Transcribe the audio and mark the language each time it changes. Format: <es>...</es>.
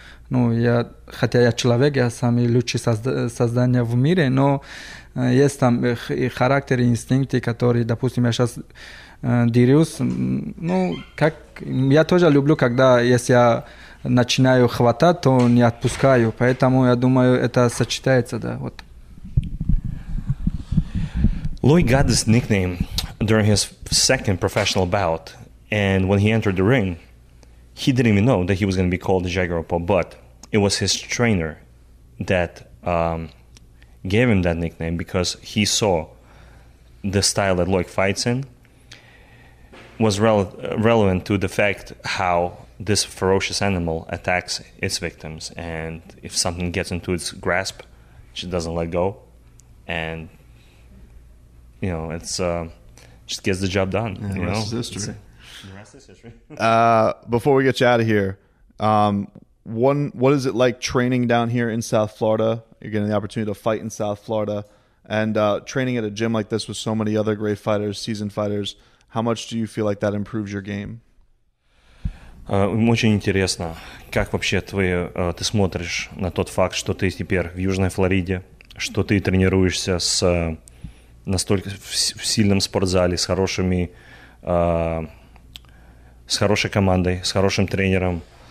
<ru>Хотя я человек, я самый лучший создание в мире, но есть там и характер, и инстинкты, которые, допустим, я сейчас дерюсь. Ну, как я тоже люблю, когда если я начинаю хватать, то не отпускаю. Поэтому я думаю, это сочетается, да. Вот.</ru> <en>Loic got this nickname during his second professional bout, and when he entered the ring, he didn't even know that he was going to be called the Jaguar Paw, but it was his trainer that gave him that nickname because he saw the style that Loic fights in was relevant to the fact how this ferocious animal attacks its victims. And if something gets into its grasp, it just doesn't let go. And, you know, it's just gets the job done. Yeah, you the know? Rest is history. Before we get you out of here, what is it like training down here in South Florida? You're getting the opportunity to fight in South Florida and training at a gym like this with so many other great fighters, seasoned fighters. How much do you feel like that improves your game?</en> <ru>Очень интересно, как вообще ты смотришь на тот факт, что ты теперь в Южной Флориде, что ты тренируешься в сильном спортзале, с хорошей командой, с хорошим тренером.</ru>